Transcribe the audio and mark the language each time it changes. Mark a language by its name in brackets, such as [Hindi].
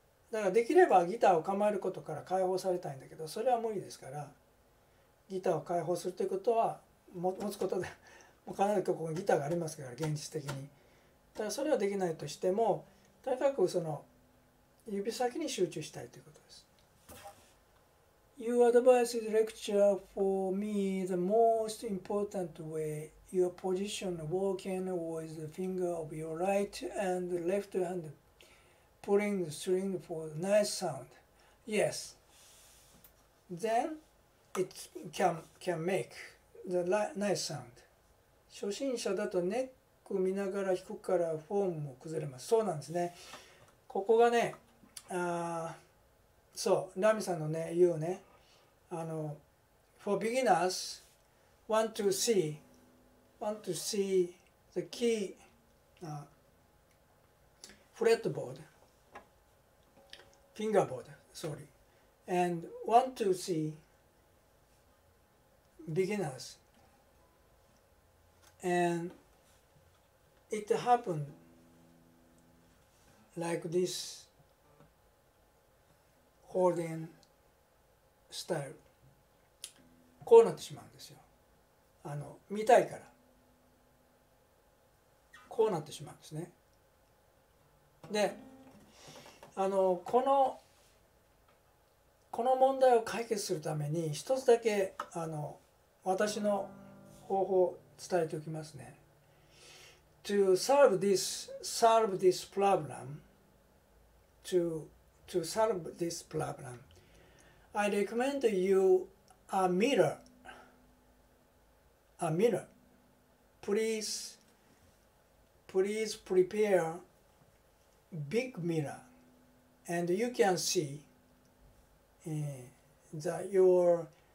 [Japanese] だからできればギターを構えることから解放されたいんだけど、それは無理ですから、ギターを解放するということは持つことで、もう必ずここにギターがありますから、現実的に。だからそれはできないとしても、とにかくその指先に集中したいということです。 [English] Your advice is lecture for me the most important way. Your position walking with the finger of your right and left hand pulling the string for a nice sound. Yes. Then it can make the nice sound. [Japanese] 初心者だとネック見ながら弾くからフォームも崩れます。そうなんですね。ここがね、そう、ラミさんのね、言うね、 [English] For beginners, want to see the key fretboard, fingerboard, sorry, and want to see beginners, and it happened like this holding style. [Japanese] こうなってしまうんですよ。見たいからこうなってしまうんですね。で、この問題を解決するために一つだけ私の方法を伝えておきますね。 [English] To solve this problem to solve this problem I recommend you a mirrorA mirror. Please prepare big mirror, and you can see your